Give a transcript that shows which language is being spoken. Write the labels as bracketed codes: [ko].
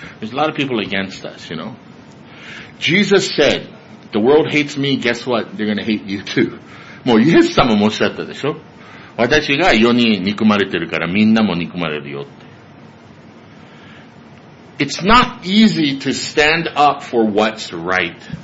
[en] There's a lot of people against us, you know? Jesus said, the world hates me, guess what? They're gonna hate you too. [ja] もうイエス様もおっしゃったでしょ。私が世に憎まれてるからみんなも憎まれるよって。 [en] It's not easy to stand up for what's right.